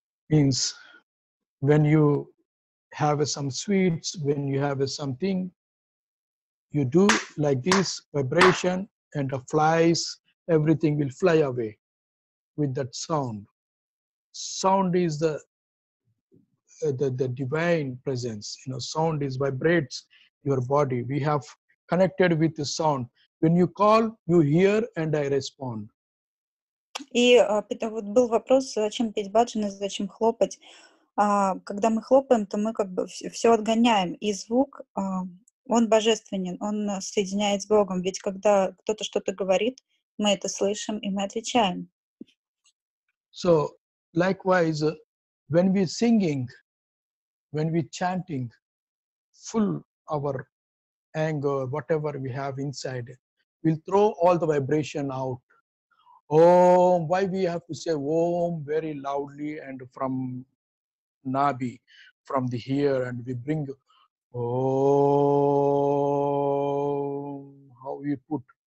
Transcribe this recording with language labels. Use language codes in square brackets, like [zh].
[en] Means when you have some sweets, when you have something, you do like this vibration, and the flies, everything will fly away with that sound. Sound is the divine presence. You know, sound is vibrates your body. We have connected with the sound. When you call, you hear, and I respond. [ru] И вот был вопрос, зачем петь баджаны, зачем хлопать. Когда мы хлопаем, то мы как бы все отгоняем. И звук, он божественен, он соединяет с Богом. Ведь когда кто-то что-то говорит, мы это слышим и мы отвечаем. [en] So, likewise, when we singing, when we chanting, full our anger, whatever we have inside, we'll throw all the vibration out. Om, why we have to say Om very loudly and from Nabi, from the here, and we bring Om, how we put.